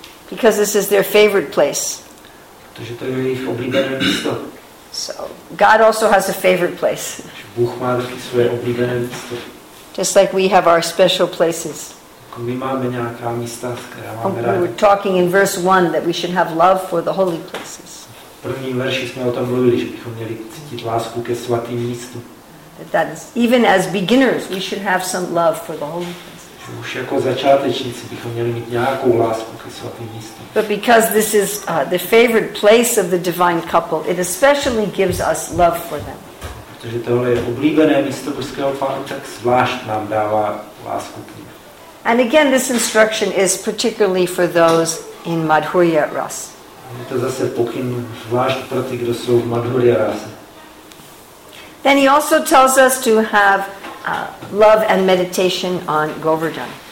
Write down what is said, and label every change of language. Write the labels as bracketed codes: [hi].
[en] Because this is their favorite place. [cs] Protože to je jejich oblíbené místo. [en] So God also has a favorite place. [cs] Bůh má taky své oblíbené místo. [en] Just like we have our special places. [cs] My máme nějaká místa, která máme rádi. [en] We were talking in verse 1 that we should have love for the holy places. [cs] V prvním verši jsme o tom mluvili, že bychom měli cítit lásku ke svatým místu. [en] That is, even as beginners, we should have some love for the holy places. [cs] Už jako začátečníci bychom měli mít nějakou lásku ke svatým místům. [en] But because this is the favorite place of the divine couple, it especially gives us love for them. [cs] Protože tohle je oblíbené místo božského páru, tak zvlášť nám dává lásku k ním. [en] And again, this instruction is particularly for those in Madhurya Ras. [cs] Je to zase pokyn zvlášť pro ty, kdo jsou v Madhurya Rase. [en] Then he also tells us to have love and meditation on Govardhan.